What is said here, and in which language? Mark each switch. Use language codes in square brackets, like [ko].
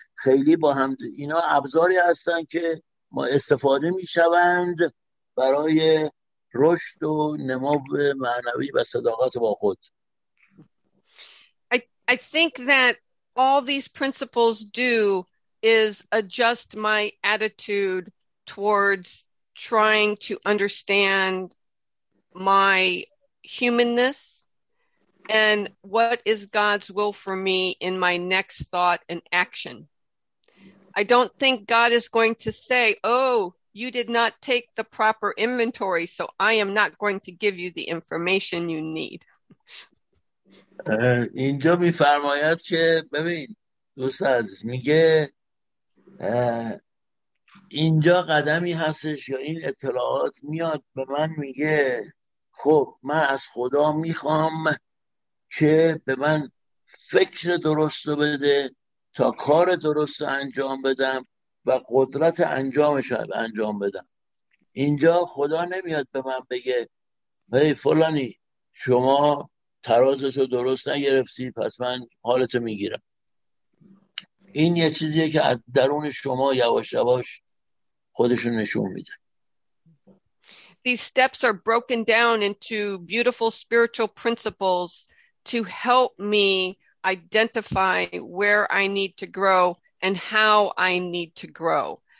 [fa] خیلی با هم اینا ابزاری هستن که ما استفاده میشوند برای رشد و نمو معنوی و صداقت با خود. [en] I think that all these principles do is adjust my attitude towards trying to understand my humanness and what is God's will for me in my next thought and action. I don't think God is going to say, oh, you did not take the proper inventory, so I am not going to give you the information you need. [fa] اینجا می فرماید که ببین دوست عزیز، میگه اینجا قدمی هستش یا این اطلاعات میاد به من میگه خب من از خدا میخوام که به من فکر درست بده تا کار درست انجام بدم و قدرت انجامش رو انجام بدم. اینجا خدا نمیاد به من بگه هی فلانی شما ترازتو درست نگرفتی پس من حالتو میگیرم. این یه چیزیه که از درون شما یواش یواش خودشون نشون میده. [en] These steps are broken down into beautiful spiritual principles to help me identify where I need to grow and how I need to grow.